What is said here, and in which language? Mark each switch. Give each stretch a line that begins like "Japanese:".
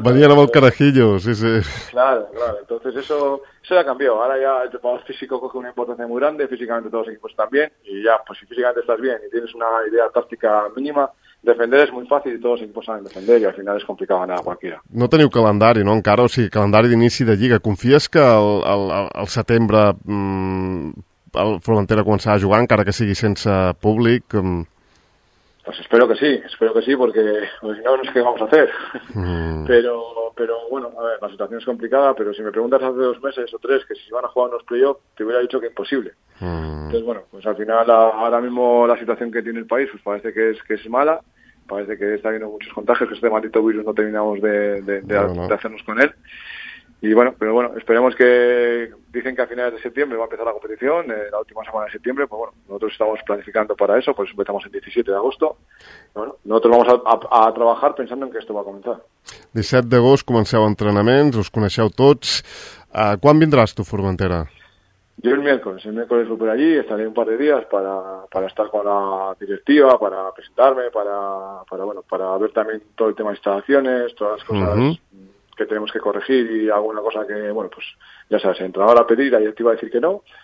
Spanish: Venían a carajillo, sí, sí. Claro. Entonces eso ya cambió. Ahora ya el trabajo físico coge una importancia muy grande, físicamente todos los equipos están bien, y ya, pues si físicamente estás bien y tienes una idea táctica mínima, defender es muy fácil y todos los equipos saben defender y al final es complicado ganar a cualquiera.
Catalan: No teniu calendari, no, encara? O sigui, calendari d'inici de Lliga. Confies que el setembre el Formentera començarà a jugar, encara que sigui sense públic?
Spanish: Pues espero que sí, porque si no, no sé qué vamos a hacer. Pero bueno, a ver, la situación es complicada, pero si me preguntas hace 2 meses o 3 que si se van a jugar unos playoffs, te hubiera dicho que imposible. Entonces, bueno, pues al final ahora mismo la situación que tiene el país pues parece que es mala, parece que está habiendo muchos contagios, que este maldito virus no terminamos de hacernos con él. Y bueno, pero bueno, esperemos que... Dicen que a finales de septiembre va a empezar la competición, la última semana de septiembre, pues bueno, nosotros estamos planificando para eso, pues empezamos el 17 de agosto. Bueno, nosotros vamos a trabajar pensando en que esto va a comenzar.
Catalan: 17 d'agost comenceu entrenaments, us coneixeu tots.
Spanish: ¿Cuándo vendrás tú, Formentera? Yo el miércoles voy por allí, estaré un par de días para estar con la directiva, para presentarme, para ver también todo el tema de instalaciones, todas las cosas que tenemos que corregir y alguna cosa que, bueno, pues ya sabes, entrenador a pedir, la directiva a decir que no.